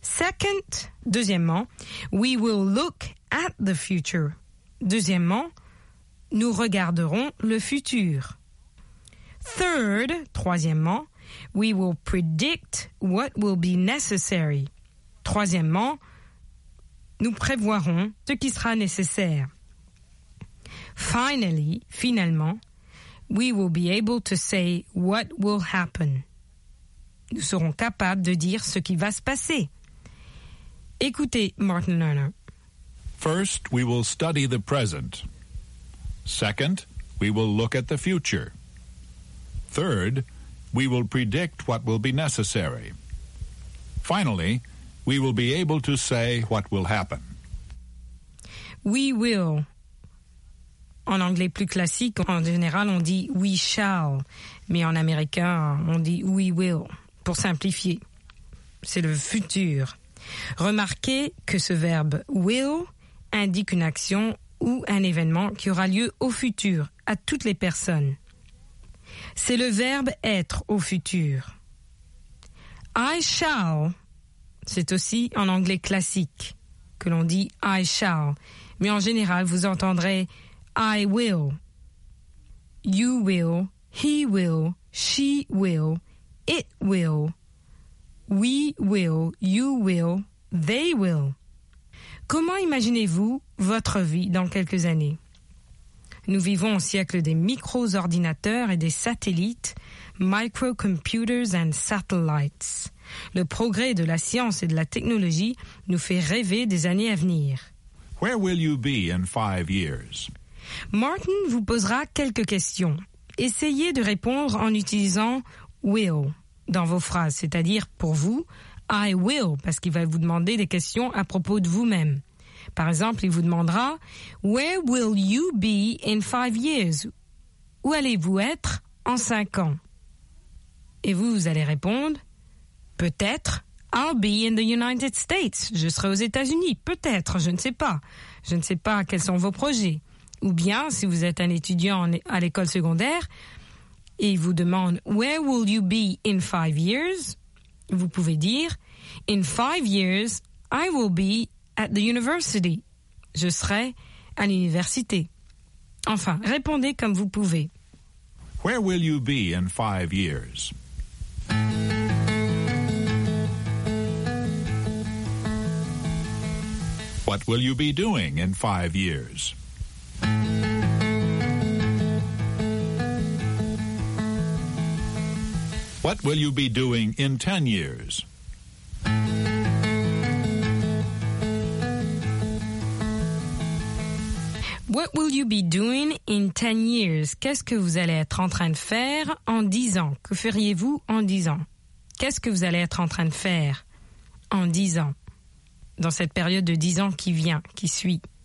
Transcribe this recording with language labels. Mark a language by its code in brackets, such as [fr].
[en] Second, deuxièmement, « we will look at the future. » [fr] Deuxièmement, « nous regarderons le futur. » [en] Third, troisièmement, « we will predict what will be necessary. » [fr] Troisièmement, nous prévoirons ce qui sera nécessaire. [en] Finally, finalement, we will be able to say what will happen. [fr] Nous serons capables de dire ce qui va se passer. Écoutez Martin Lerner. [en] First, we will study the present. Second, we will look at the future. Third, we will predict what will be necessary. Finally, we will be able to say what will happen. We will. [fr] En anglais plus classique, en général, on dit we shall. Mais en américain, on dit we will. Pour simplifier, c'est le futur. Remarquez que ce verbe will indique une action ou un événement qui aura lieu au futur, à toutes les personnes. C'est le verbe être au futur. I shall. C'est aussi en anglais classique que l'on dit « I shall ». Mais en général, vous entendrez [en] « I will ».« You will »,« He will »,« She will »,« It will »,« We will »,« You will »,« They will ». [fr] Comment imaginez-vous votre vie dans quelques années? Nous vivons au siècle des micro-ordinateurs et des satellites « [en] microcomputers and satellites ». [fr] Le progrès de la science et de la technologie nous fait rêver des années à venir. [en] Where will you be in 5 years? [fr] Martin vous posera quelques questions. Essayez de répondre en utilisant « will » dans vos phrases, c'est-à-dire pour vous, « I will » parce qu'il va vous demander des questions à propos de vous-même. Par exemple, il vous demandera « [en] Where will you be in 5 years? [fr] » Où allez-vous être en 5 ans? Et vous, vous allez répondre « Peut-être, [en] I'll be in the United States. [fr] Je serai aux États-Unis. Peut-être, je ne sais pas. Je ne sais pas quels sont vos projets. Ou bien, si vous êtes un étudiant à l'école secondaire et il vous demande « [en] Where will you be in 5 years? [fr] » Vous pouvez dire « [en] In 5 years, I will be at the university. [fr] » Je serai à l'université. Enfin, répondez comme vous pouvez. [en] « Where will you be in 5 years? » What will you be doing in 5 years? What will you be doing in 10 years? What will you be doing in 10 years? [fr] Qu'est-ce que vous allez être en train de faire en 10 ans? Que feriez-vous en 10 ans? Qu'est-ce que vous allez être en train de faire en 10 ans? Dans cette période de 10 ans qui vient, qui suit.